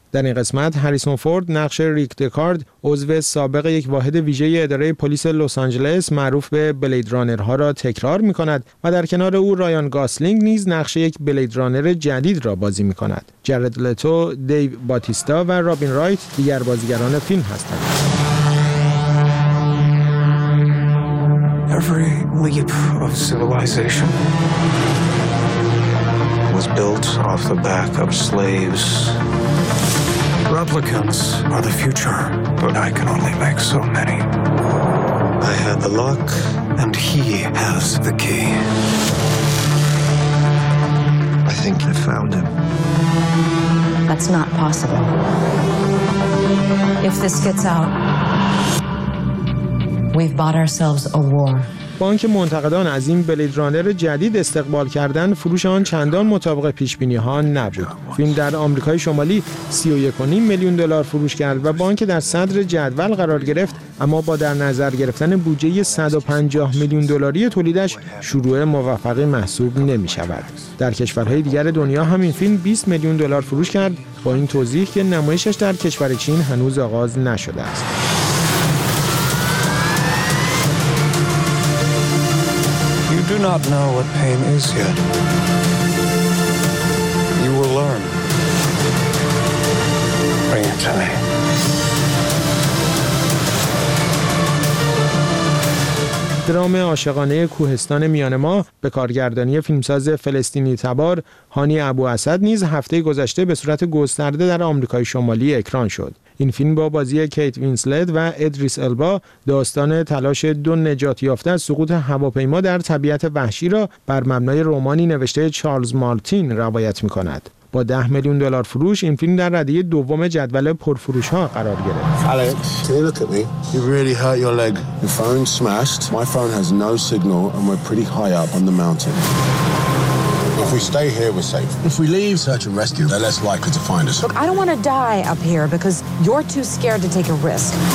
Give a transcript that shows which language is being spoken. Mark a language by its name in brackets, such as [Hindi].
[Persian] در این قسمت هریسون فورد نقش ریک دکارد، عضو سابق یک واحد ویژه اداره پلیس لس آنجلس معروف به بلید رانرها را تکرار می‌کند و در کنار او رایان گاسلینگ نیز نقش یک بلید رانر جدید را بازی می‌کند. جرد لتو، دیو باتیستا و رابین رایت دیگر بازیگران فیلم هستند. [English] Every leap of civilization was built off the back of slaves. Replicants are the future, but I can only make so many. I had the lock, and he has the key. I think I found him. That's not possible. If this gets out, we've bought ourselves a war. [Persian] با اینکه منتقدان از این بلید رانر جدید استقبال کردن، فروش آن چندان مطابق پیشبینی ها نبود. فیلم در آمریکای شمالی 31.5 میلیون دلار فروش کرد و با اینکه در صدر جدول قرار گرفت، اما با در نظر گرفتن بودجه 150 میلیون دلاری تولیدش شروع موفقی محسوب نمی شود. در کشورهای دیگر دنیا همین فیلم 20 میلیون دلار فروش کرد، با این توضیح که نمایشش در کشور چین هنوز آغاز نشده است. [English] You do not know what pain is yet. You will learn. Bring it to me. [Persian] درام عاشقانه کوهستان میان ما به کارگردانی فیلمساز فلسطینی تبار هانی ابو اسد نیز هفته گذشته به صورت گسترده در آمریکای شمالی اکران شد. این فیلم با بازی کیت وینسلت و ادریس البا داستان تلاش دو نجات یافته از سقوط هواپیما در طبیعت وحشی را بر مبنای رمانی نوشته چارلز مارتین روایت می‌کند. با 10 میلیون دلار فروش این فیلم در رده دوم جدول پرفروش ها قرار گرفت. [English] Alex, can you look at me? You really hurt your leg. Your phone smashed. My phone has no signal and we're pretty high up on the mountain. If we stay here we're safe. If we leave search and rescue they're less likely to find us. Look, I don't want to die up here because you're too scared to take a risk.